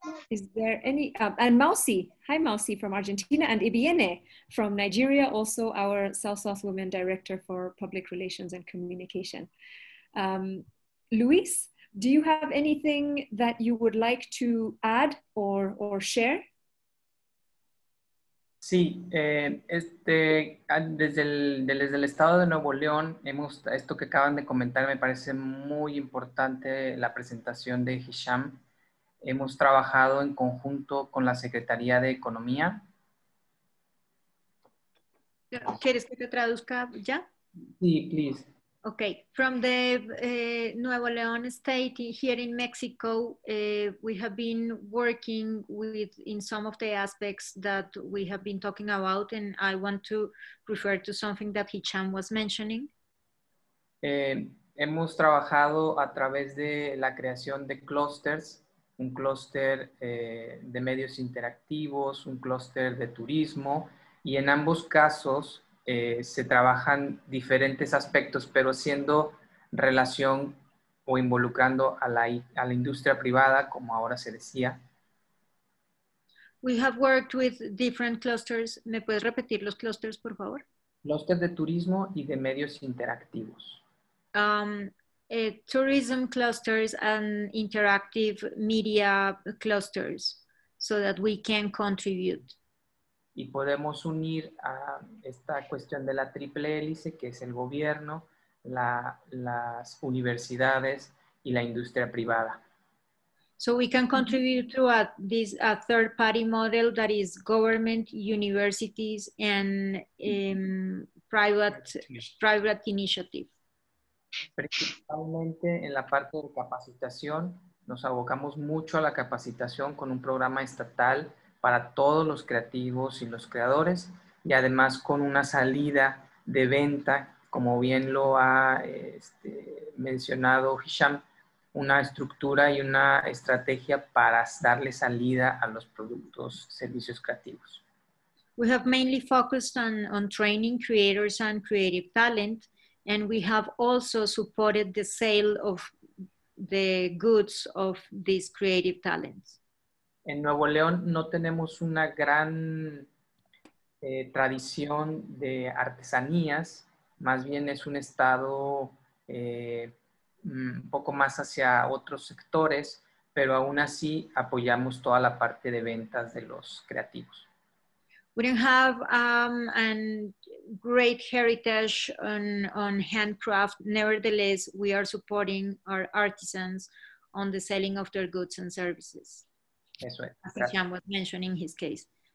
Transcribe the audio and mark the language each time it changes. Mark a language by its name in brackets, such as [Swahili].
[English] Is there any, and Mausi, hi Mausi from Argentina, and Ibiene from Nigeria, also our South Women Director for Public Relations and Communication. Luis, do you have anything that you would like to add or share? [Spanish] Sí, desde el estado de Nuevo León, hemos, esto que acaban de comentar me parece muy importante, la presentación de Hisham. Hemos trabajado en conjunto con la Secretaría de Economía. ¿Quieres que te traduzca ya? Sí, please. [English] Okay, from the Nuevo León state here in Mexico, we have been working with in some of the aspects that we have been talking about, and I want to refer to something that Hicham was mentioning. [Spanish] Hemos trabajado a través de la creación de clusters, un clúster de medios interactivos, un clúster de turismo, y en ambos casos se trabajan diferentes aspectos, pero siendo relación o involucrando a la industria privada, como ahora se decía. [English] We have worked with different clusters. [Spanish] ¿Me puedes repetir los clusters, por favor? Clúster de turismo y de medios interactivos. [English] Tourism clusters and interactive media clusters, so that we can contribute. [Spanish] Y podemos unir a esta cuestión de la triple hélice, que es el gobierno, las universidades y la industria privada. [English] So we can contribute to a third party model that is government, universities, and private initiative. [Spanish] Principalmente en la parte de capacitación, nos abocamos mucho a la capacitación con un programa estatal para todos los creativos y los creadores, y además con una salida de venta, como bien lo ha mencionado Hisham, una estructura y una estrategia para darle salida a los productos, servicios creativos. [English] We have mainly focused on training creators and creative talent, and we have also supported the sale of the goods of these creative talents. [Spanish] En Nuevo León no tenemos una gran tradición de artesanías, más bien es un estado un poco más hacia otros sectores, pero aún así apoyamos toda la parte de ventas de los creativos. [English] We don't have a great heritage on handcraft, nevertheless we are supporting our artisans on the selling of their goods and services. [Spanish] Eso es. [English] As Hisham was mentioning his case.